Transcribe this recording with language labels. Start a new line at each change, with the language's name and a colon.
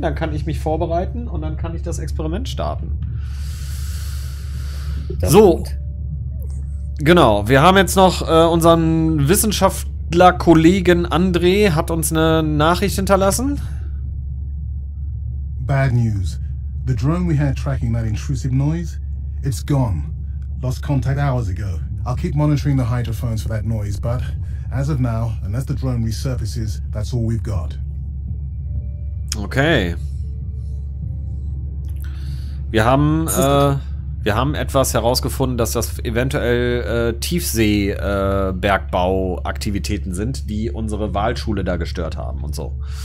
German: Dann kann ich mich vorbereiten und dann kann ich das Experiment starten. Das so, genau, wir haben jetzt noch unseren Wissenschaftler-Kollegen André hat uns eine Nachricht hinterlassen.
English: Bad news. The drone we had tracking that intrusive noise, it's gone. Lost contact hours ago. I'll keep monitoring the hydrophones for that noise, but as of now, unless the drone resurfaces, that's all we've got. Okay.
German: Wir haben etwas herausgefunden, dass das eventuell Tiefseebergbauaktivitäten sind, die unsere Walschule da gestört haben und so.